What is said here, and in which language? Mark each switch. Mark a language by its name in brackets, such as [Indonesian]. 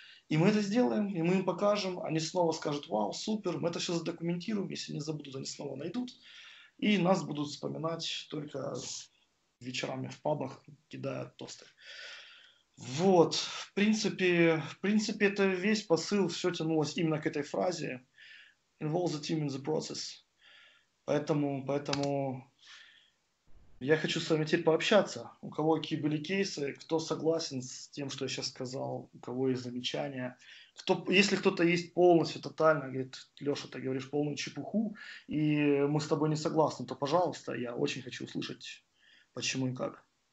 [Russian] И мы это сделаем, и мы им покажем, они снова скажут: вау, супер, мы это все задокументируем, если не забудут, они снова найдут, и нас будут вспоминать только вечерами в пабах, кидая тосты. Вот, в принципе, это весь посыл, все тянулось именно к этой фразе. [English] Involve the team in the process. [Russian] Поэтому я хочу с вами теперь пообщаться. У кого какие были кейсы, кто согласен с тем, что я сейчас сказал, у кого есть замечания. Если кто-то есть полностью, тотально, говорит: Леша, ты говоришь полную чепуху, и мы с тобой не согласны, то, пожалуйста, я очень хочу услышать, почему и как.